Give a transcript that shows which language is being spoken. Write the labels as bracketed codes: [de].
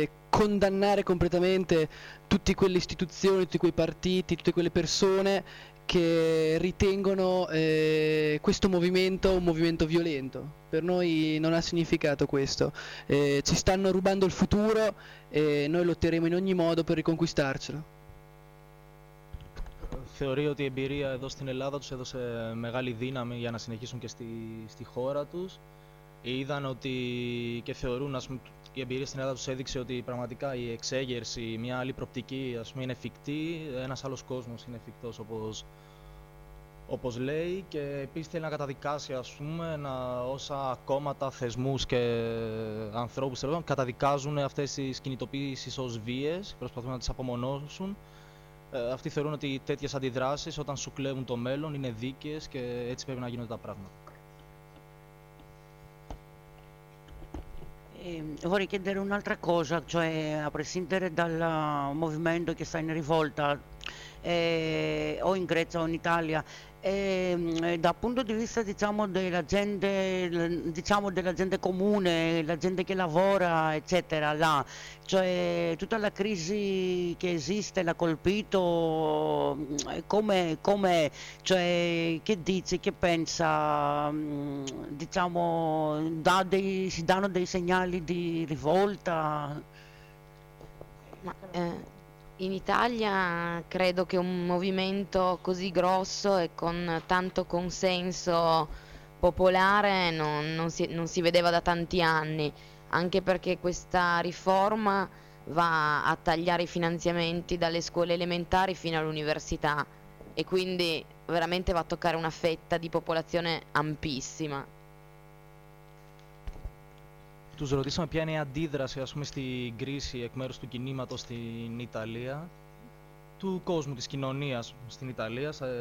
[it] condannare completamente tutte quelle istituzioni, tutti quei partiti, tutte quelle persone che ritengono questo movimento un movimento violento. Per noi non ha significato questo. Ci stanno rubando il futuro e noi lotteremo in ogni modo per riconquistarcelo. [el] Θεωρεί ότι η εμπειρία εδώ στην Ελλάδα τους έδωσε μεγάλη δύναμη για να συνεχίσουν και στη χώρα τους. Είδαν ότι και θεωρούν, ας πούμε, η εμπειρία στην Ελλάδα τους έδειξε ότι πραγματικά η εξέγερση, μια άλλη προπτική, ας πούμε, είναι εφικτή. Ένας άλλος κόσμος είναι εφικτός, όπως λέει. Και επίσης θέλει να καταδικάσει, ας πούμε, να όσα κόμματα, θεσμούς και ανθρώπους καταδικάζουν αυτές τις κινητοποίησεις ως βίες, προσπαθούν να τις απομονώσουν. Αυτοί θεωρούν ότι τέτοιες αντιδράσεις, όταν σου κλέβουν το μέλλον, είναι δίκαιες και έτσι πρέπει να γίνονται τα πράγματα. [it] Vorrei chiedere un'altra cosa, cioè a prescindere dal movimento che sta in rivolta o in Grecia o in Italia, dal punto di vista diciamo, della gente comune, la gente che lavora, eccetera, là, cioè tutta la crisi che esiste l'ha colpito, come, cioè, che dici, che pensa? Diciamo, si danno dei segnali di rivolta? In Italia credo che un movimento così grosso e con tanto consenso popolare non si vedeva da tanti anni, anche perché questa riforma va a tagliare i finanziamenti dalle scuole elementari fino all'università e quindi veramente va a toccare una fetta di popolazione ampissima. [el] Τους ρωτήσαμε ποια είναι η αντίδραση, ας πούμε, στην κρίση εκ μέρους του κινήματος στην Ιταλία, του κόσμου, της κοινωνίας στην Ιταλία,